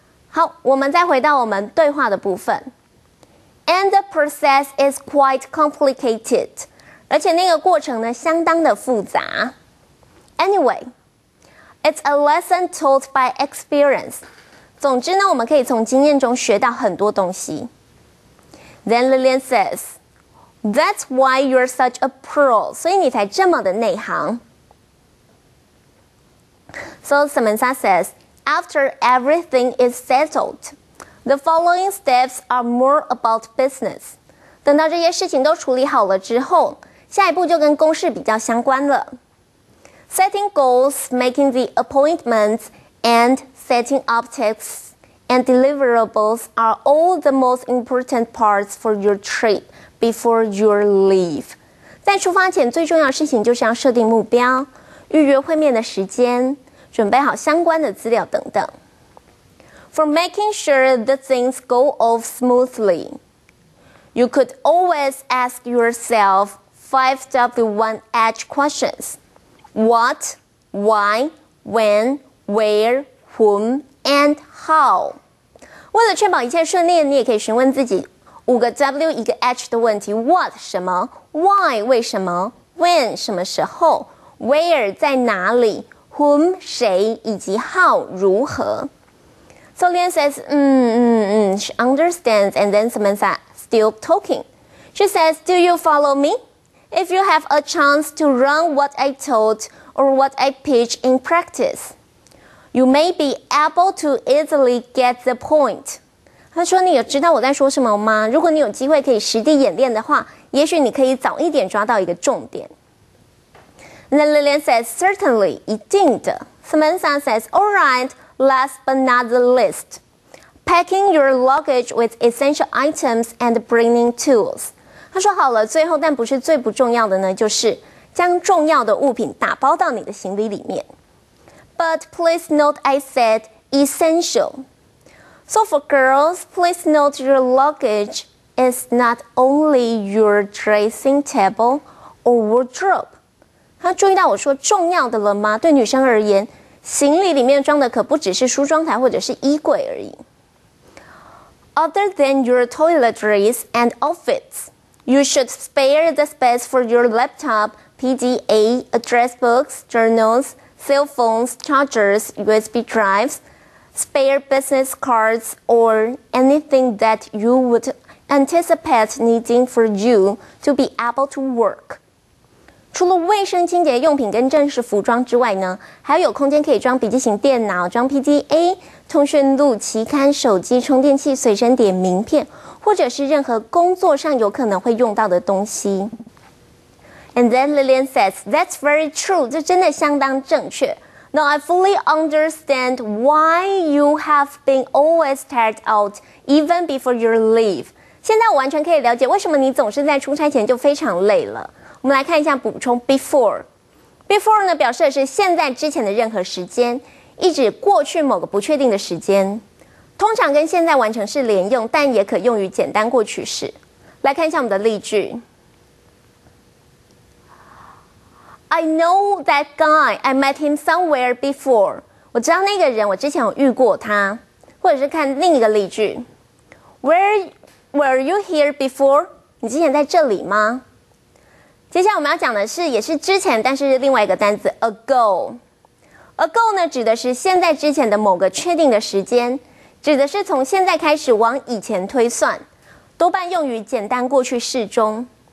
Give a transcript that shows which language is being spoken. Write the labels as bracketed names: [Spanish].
[Chinese] 好，我们再回到我们对话的部分， [English] and the process is quite complicated， [Chinese] 而且那个过程呢相当的复杂。 [English] Anyway, it's a lesson taught by experience. [Chinese] 总之呢，我们可以从经验中学到很多东西。 [English] Then Lillian says, that's why you're such a pro. [Chinese] 所以你才这么的内行。 [English] So Samantha says, after everything is settled, the following steps are more about business. [Chinese] 等到这些事情都处理好了之后，下一步就跟公事比较相关了。 [English] Setting goals, making the appointments, and setting up tasks and deliverables are all the most important parts for your trip before your leave. [Chinese] 在出发前最重要的事情就是要设定目标，预约会面的时间，准备好相关的资料等等。 [English] For making sure the things go off smoothly, you could always ask yourself5W1H questions. What, why, when, where, whom, and how. [Chinese] 为了确保一切顺利，你也可以询问自己五个 W 一个 H 的问题。 What, 什么， why, 为什么， when, 什么时候， where, 在哪里， whom, 谁，以及 how, 如何。 [English] So Lian says, she understands, and then Samantha still talking. She says, do you follow me? If you have a chance to run what I taught or what I pitch in practice, you may be able to easily get the point. [Chinese] 他说你有知道我在说什么吗？如果你有机会可以实地演练的话，也许你可以早一点抓到一个重点。 [English] And then Lillian says, certainly, [Chinese] 一定的。 [English] Samantha says, alright, last but not the least, packing your luggage with essential items and bringing tools. [Chinese] 他说好了，最后但不是最不重要的呢，就是将重要的物品打包到你的行李里面。 [English] But please note I said essential. So for girls, please note your luggage is not only your dressing table or wardrobe. [Chinese] 他注意到我说重要的了吗？对女生而言，行李里面装的可不只是梳妆台或者是衣柜而已。 [English] Other than your toiletries and outfits,You should spare the space for your laptop, PDA, address books, journals, cell phones, chargers, USB drives, spare business cards, or anything that you would anticipate needing for you to be able to work. [Chinese] 除了卫生清洁用品跟正式服装之外呢，还有空间可以装笔记型电脑，装 PDA, 通讯录、期刊、手机、充电器、随身碟、名片，或者是任何工作上有可能会用到的东西。 [English] And then Lillian says, that's very true, [Chinese] 这真的相当正确。 [English] Now I fully understand why you have been always tired out even before your leave. [Chinese] 现在我完全可以了解为什么你总是在出差前就非常累了。我们来看一下补充 before。 Before 呢表示的是现在之前的任何时间，一直过去某个不确定的时间，通常跟现在完成式连用，但也可用于简单过去式。来看一下我们的例句。 [English] I know that guy, I met him somewhere before. [Chinese] 我知道那个人，我之前有遇过他。或者是看另一个例句。 [English] Where were you here before? [Chinese] 你之前在这里吗？接下来我们要讲的是，也是之前，但是另外一个单字 ago。 ago 呢指的是现在之前的某个确定的时间，指的是从现在开始往以前推算，多半用于简单过去式中。